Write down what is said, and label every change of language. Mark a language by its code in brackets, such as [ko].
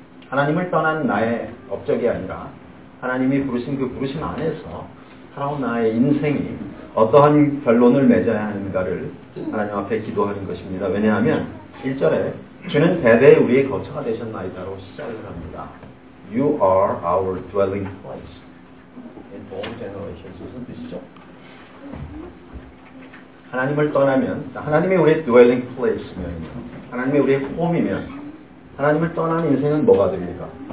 [ko] 하나님을 떠난 나의 업적이 아니라 하나님이 부르신 그 부르심 안에서 살아온 나의 인생이 어떠한 결론을 맺어야 하는가를 하나님 앞에 기도하는 것입니다. 왜냐하면 1절에 주는 대대의 우리의 거처가 되셨나이다로 시작을 합니다. [en] You are our dwelling place. In all generations. [ko] 무슨 뜻이죠? 하나님을 떠나면, 하나님이 우리의 dwelling place면, 하나님이 우리의 home이면, 하나님을 떠난 인생은 뭐가 됩니까?